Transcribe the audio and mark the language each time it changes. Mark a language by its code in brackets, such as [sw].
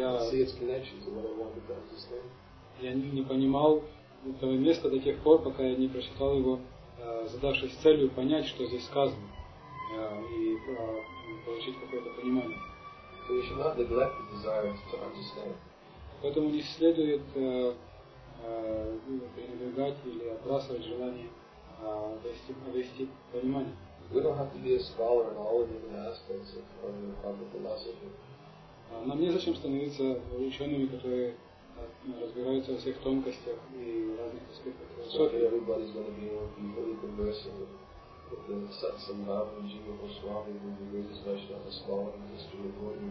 [en] See its connection to what I wanted to understand. [ru] Я не понимал этого места до тех пор, пока я не прочитал его, задавшись целью понять, что здесь сказано, и получить какое-то понимание. [en] So you should not neglect the desire to understand. [ru] Поэтому не следует пренебрегать или отбрасывать желание довести понимание. [en] We don't have to be a scholar in all of the aspects of the Vedic philosophy. [ru] Нам не зачем становиться учеными, которые разбираются во всех тонкостях и разных аспектах философии. [en] So everybody's going to be able to be fully conversant with the Satsambhava, Jiva Goswami, with the greatest Vaishnava scholar in the history of Vedic